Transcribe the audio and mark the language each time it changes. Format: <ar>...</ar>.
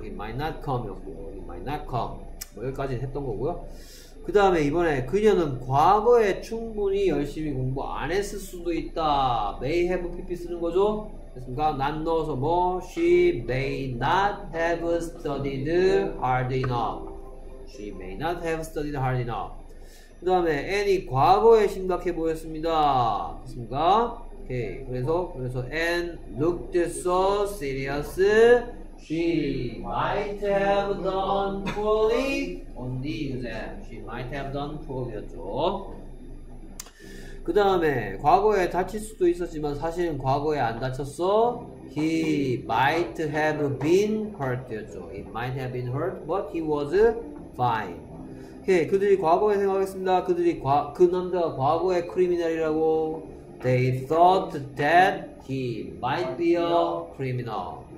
<en>He might not come였고 he might not come.</en> <ko>뭐 여기까지 했던 거고요. 그 다음에 이번에 그녀는 과거에 충분히 열심히 공부 안 했을 수도 있다. May have pp 쓰는 거죠. 됐습니까? 난 넣어서 뭐</ko> <en>she may not have studied hard enough. She may not have studied hard enough.</en> <ko>그 다음에 Anne이 과거에 심각해 보였습니다. 됐습니까? 오케이. 그래서 Anne</ko> <en>looked so serious. She might have done poorly on the exam. She might have done poorly였죠.</en> <ko>그 다음에 과거에 다칠 수도 있었지만 사실은 과거에 안 다쳤어.</ko> <en>He might have been hurt였죠. He might have been hurt, but he was fine.</en> <ko>오케이. 그들이 과거에 생각했습니다. 그 남자가 과거에 크리미널이라고.</ko> <en>They thought that he might be a criminal.</en>